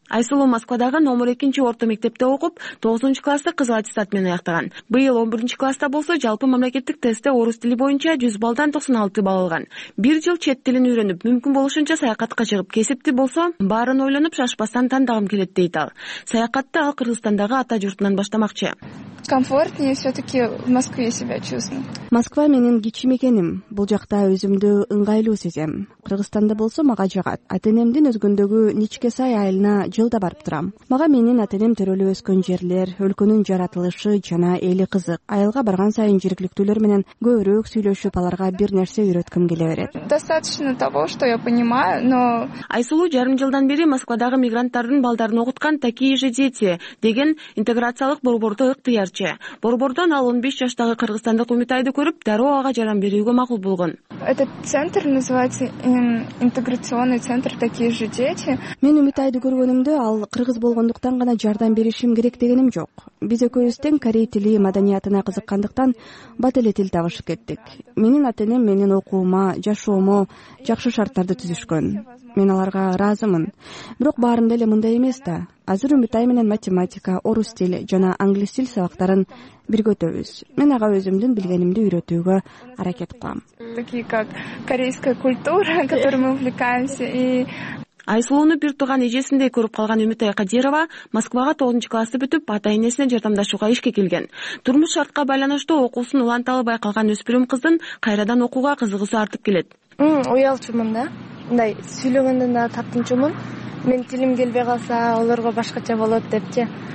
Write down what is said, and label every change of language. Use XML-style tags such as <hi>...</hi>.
<ky>Айсулу Москвадагы номер 2-нчи орто мектепте окуп, 9-нчи классты кызыл аттестат менен аяктаган. Быйыл 11-нчи класста болсо, жалпы мамлекеттик тестте орус тили боюнча 100 балдан 96 балл алган. Бир жыл чет тилин үйрөнүп, мүмкүн болушунча саякатка чыгып, кесипти болсо, баарын ойлонуп, шашпастан тандагым келет дейт ал. Саякатты ал Кыргызстандагы ата журтунан баштамакчы.</ky> <ru>Комфортнее все-таки в Москве себя чувствую.</ru> <ky>Москва менин кичи мекеним. Бул жакта өзүмдү ыңгайлуу сезем. Кыргызстанда болсо мага жагат. Атенемдин өзгөндөгү ничке сай айылына жылда барып турам. Мага менин атенем төрөлүп өскөн жерлер, өлкөнүн жаратылышы жана эли кызык. Айылга барган сайын жергиликтүүлөр менен көбүрөөк сүйлөшүп, аларга бир нерсе үйрөткүм келе берет.</ky> <ru>Достаточно того, что я понимаю, но</ru> <ky>Айсулуу жарым жылдан бери Москвадагы мигранттардын балдарын окуткан такие же дети деген интеграциялык борборду ыктый. Борбордон ал 15 жаштагы кыргызстандык үмүтайды көрүп, дароо ага жардам берүүгө макул болгон.</ky> <ru>Этот центр называется интеграционный центр такие же дети.</ru> <ky>Мен үмүтайды көргөнүмдө ал кыргыз болгондуктан гана жардам беришим керек дегеним жок. Биз экөөбүз тең корей тили маданиятына кызыккандыктан бат эле тил табышып кеттик. Менин атенем менин окуума, жашоомо жакшы шарттарды түзүшкөн. Мен аларга ыраазымын. Бирок баарында эле мындай эмес да. Азыр үмүтай менен математика, орус тили жана англис тил сабактарын бирге өтөбүз. Мен ага өзүмдүн билгенимди үйрөтүүгө аракет кылам.</ky> <ru>Такие как корейская культура, которой мы увлекаемся и</ru> <ky>Айсулууну бир тууган эжесиндей көрүп калган Үмүтай Кадирова Москвага 9-нчу классты бүтүп, ата энесине жардамдашууга ишке келген. Турмуш шартка байланыштуу окуусун уланталбай калган өспүрүм кыздын кайрадан окууга кызыгуусу артып келет. Уялчумун да. Мындай сүйлөгөндөн дагы таптынчумун. Мен тилим келбей калса, аларга башкача болот депчи.</ky>